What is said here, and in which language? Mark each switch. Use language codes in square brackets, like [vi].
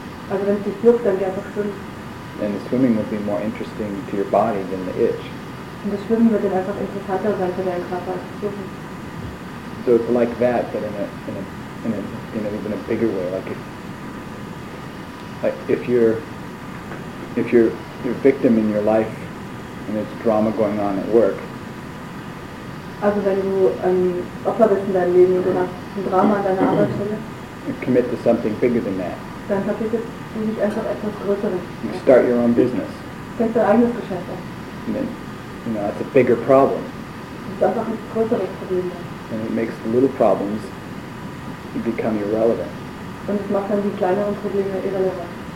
[de] Also wenn es dich juckt, dann geh einfach schwimmen. [en] And the swimming will be more interesting to your body than the itch. [de] Und das Schwimmen wird dann einfach interessanter sein für deinen Körper als Schwimmen. [en] So it's like that, but in a bigger way. Like if you're a victim in your life. And there's drama going on at work. [de] Also wenn du Opfer bist in deinem Leben und du hast ein Drama an deiner Arbeitsstelle. [en] Commit to something bigger than that. [de] Dann verpflichtest du dich einfach etwas Größeres. [en] You start your own business. [de] Fängst dein eigenes Geschäft an. [en] And then, that's a bigger problem. [de] Das ist einfach ein größeres Problem. [en] And it makes the little problems become irrelevant. [de] Und es macht dann die kleineren Probleme irrelevant.